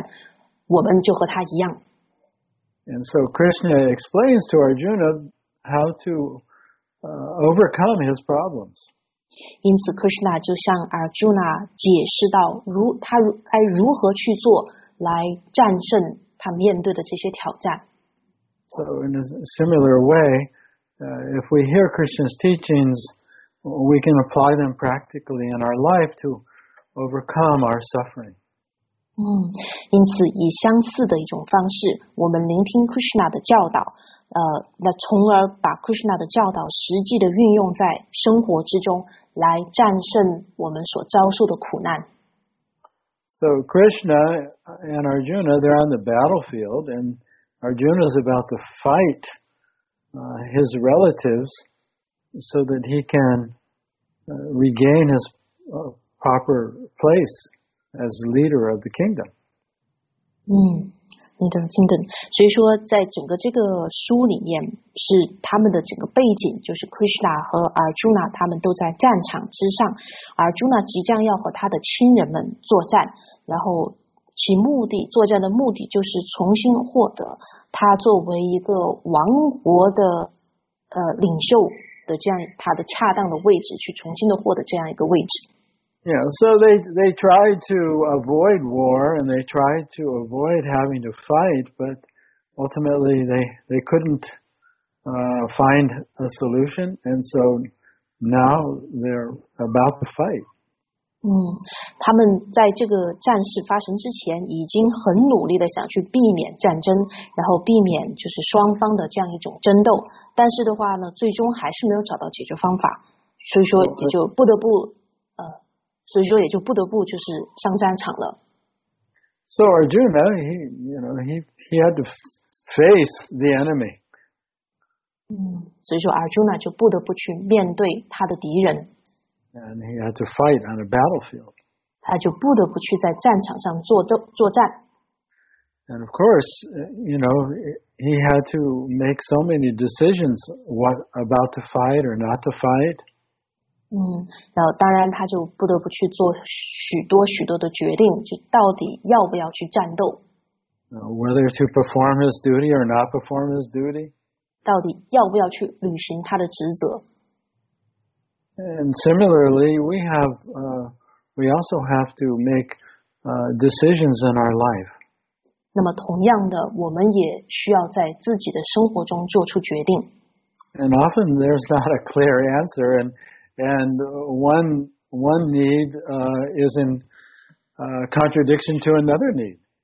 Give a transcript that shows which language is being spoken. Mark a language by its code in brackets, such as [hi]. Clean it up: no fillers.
[zh] 因为Arjuna就正在面临着他人生当中的许多许多的挑战，我们就和他一样。 [en] And so Krishna explains to Arjuna how to overcome his problems. [zh] 因此 Krishna 就向 Arjuna 解释到如何去做来战胜他面对的这些挑战。So [en] in a similar way, if we hear Krishna's teachings, we can apply them practically in our life to overcome our suffering. [zh] 因此以相似的一种方式，我们聆听 Krishna 的教导，那从而把 Krishna 的教导实际的运用在生活之中，来战胜我们所遭受的苦难。 [en] So Krishna and Arjuna, they're on the battlefield, and Arjuna is about to fight his relatives so that he can regain his proper place as leader of the kingdom. Leader of the kingdom. [zh] 所以说在整个这个书里面是他们的整个背景，就是 Krishna 和 Arjuna 他们都在战场之上， Arjuna 即将要和他的亲人们作战，然后其目的，作战的目的就是重新获得他作为一个王国的领袖的这样他的恰当的位置，去重新的获得这样一个位置。 [en] Yeah, so they tried to avoid war and they tried to avoid having to fight, but ultimately they couldn't find a solution, and so now they're about to fight. [zh] 他们在这个战事发生之前已经很努力的想去避免战争，然后避免就是双方的这样一种争斗，但是的话呢，最终还是没有找到解决方法，所以说也就不得不所以说也就不得不就是上战场了。 [en] So Arjuna, he had to face the enemy. [zh] 所以说 Arjuna 就不得不去面对他的敌人。 [en] And he had to fight on a battlefield. [zh] 他就不得不去在战场上作战。 [en] And of course, he had to make so many decisions what about to fight or not to fight. [zh] 然后当然他就不得不去做许多许多的决定，就到底要不要去战斗。 [en] Whether to perform his duty or not perform his duty. [zh] 到底要不要去履行他的职责。 [en] And similarly, we also have to make decisions in our life. [zh] 那么同样的，我们也需要在自己的生活中做出决定。 [en] And often there's not a clear answer and one need is in contradiction to another need.